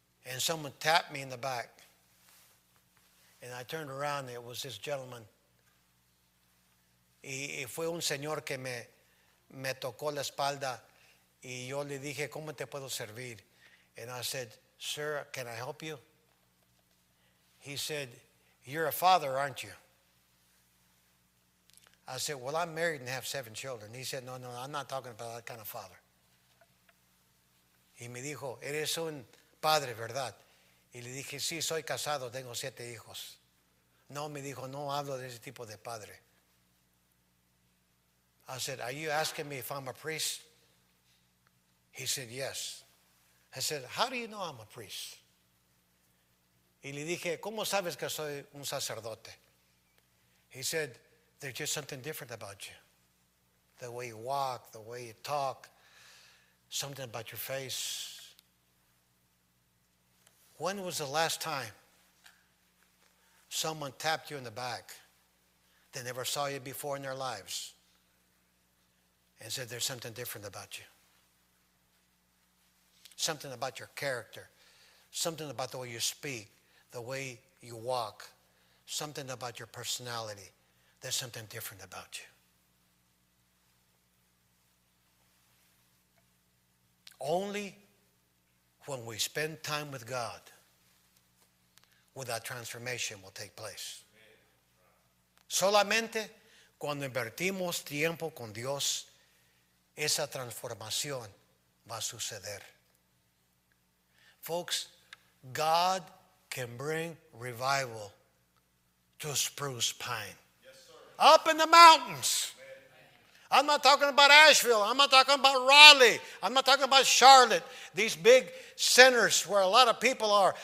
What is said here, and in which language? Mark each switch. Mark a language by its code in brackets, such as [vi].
[en] And someone tapped me in the back. And I turned around, and it was this gentleman. [es] Y fue un señor que me tocó la espalda, y yo le dije, ¿cómo te puedo servir? [en] And I said, sir, can I help you? He said, you're a father, aren't you? I said, well, I'm married and have 7 children. He said, no, I'm not talking about that kind of father. [es] Y me dijo, eres un padre, ¿verdad? Y le dije, sí, soy casado, tengo 7 hijos. No, me dijo, no hablo de ese tipo de padre. [en] I said, are you asking me if I'm a priest? He said, yes. I said, how do you know I'm a priest? [es] Y le dije, ¿cómo sabes que soy un sacerdote? [en] He said, there's just something different about you. The way you walk, the way you talk, something about your face. When was the last time someone tapped you in the back? They never saw you before in their lives and said, there's something different about you. Something about your character. Something about the way you speak, the way you walk. Something about your personality. There's something different about you. Only when we spend time with God will that transformation will take place. [es] Solamente cuando invertimos tiempo con Dios, esa transformación va a suceder. [en] Folks, God can bring revival to Spruce Pine. Up in the mountains. I'm not talking about Asheville. I'm not talking about Raleigh. I'm not talking about Charlotte. These big centers where a lot of people are.